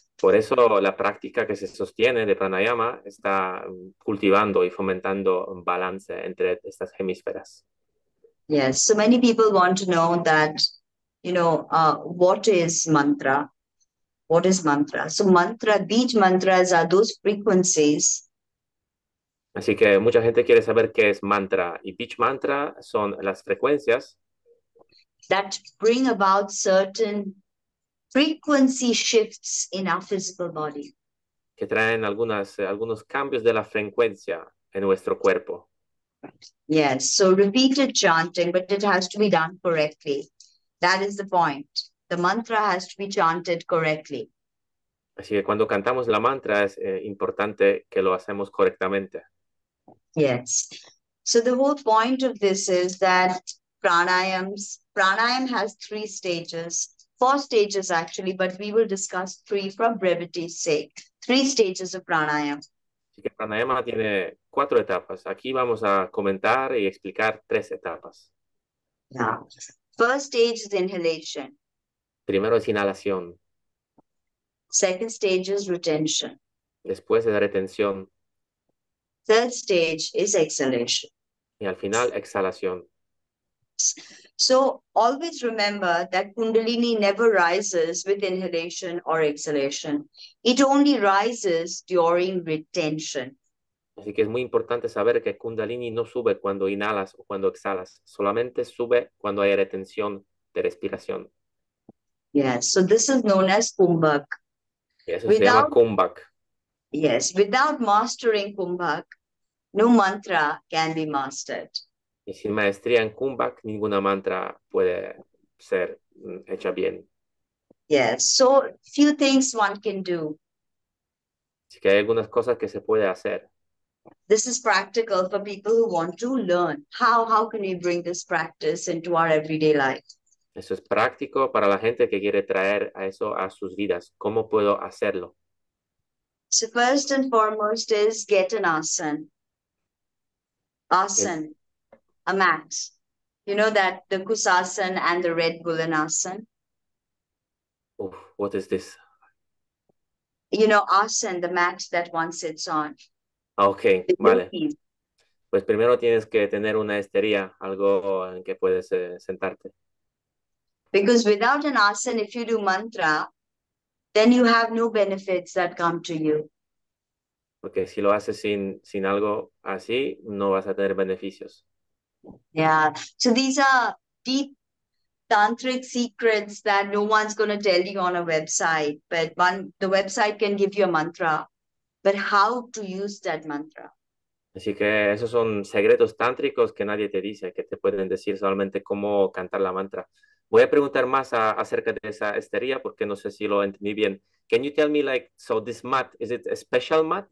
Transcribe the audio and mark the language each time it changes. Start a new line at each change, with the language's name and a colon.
Spanish: Por eso la práctica que se sostiene de pranayama está cultivando y fomentando un balance entre estas hemisferas.
English: Yes, so many people want to know that, you know, what is mantra? What is mantra? So mantra, beach mantras are those frequencies.
Spanish: Así que mucha gente quiere saber qué es mantra. Y beach mantra son las frecuencias
English: that bring about certain frequency shifts in our physical body.
Spanish: Que traen algunos cambios de la frecuencia en nuestro cuerpo.
English: Yes, so repeated chanting, but it has to be done correctly. That is the point. The mantra has to be chanted correctly.
Spanish: Así que cuando cantamos la mantra es importante que lo hacemos correctamente.
English: Yes. So the whole point of this is that pranayama has three stages, four stages actually, but we will discuss three for brevity's sake. Three stages of pranayama.
Spanish: Así que pranayama tiene cuatro etapas. Aquí vamos a comentar y explicar tres etapas.
English: Now, first stage is inhalation.
Spanish: Primero es inhalación.
English: Second stage is retention.
Spanish: Después es retención.
English: Third stage is exhalation.
Spanish: Y al final, exhalación.
English: So always remember that Kundalini never rises with inhalation or exhalation. It only rises during retention.
Spanish: Así que es muy importante saber que Kundalini no sube cuando inhalas o cuando exhalas. Solamente sube cuando hay retención de respiración.
English: Yes, so this is known as Kumbhak.
Spanish: Y eso se llama Kumbhak.
English: Yes, without mastering Kumbhak, no mantra can be mastered.
Spanish: Y sin maestría en Kumbhak, ninguna mantra puede ser hecha bien.
English: Yes, so few things one can do.
Spanish: Así que hay algunas cosas que se puede hacer.
English: This is practical for people who want to learn. How can we bring this practice into our everyday life?
Spanish: Eso es práctico para la gente que quiere traer a eso a sus vidas. ¿Cómo puedo hacerlo?
English: So first and foremost is get an asana. Asana. Yes. A mat. You know that the kusasan and the red bullen asan? Oh, what is this? You know, asan, the mat that one sits on. Okay, the vale. Yogis.
Spanish: Pues primero tienes que tener una estería, algo en que puedes sentarte.
English: Because without an asan, if you do mantra, then you have no benefits that come to you.
Spanish: Porque si lo haces sin algo así, no vas a tener beneficios.
English: Yeah, so these are deep tantric secrets that no one's going to tell you on a website. But the website can give you a mantra, but how to use that mantra.
Spanish: Así que esos son secretos tántricos que nadie te dice, que te pueden decir solamente cómo cantar la mantra. Voy a preguntar más acerca de esa estería porque no sé si lo entendí bien.
English: Can you tell me, like, so this mat, is it a special mat?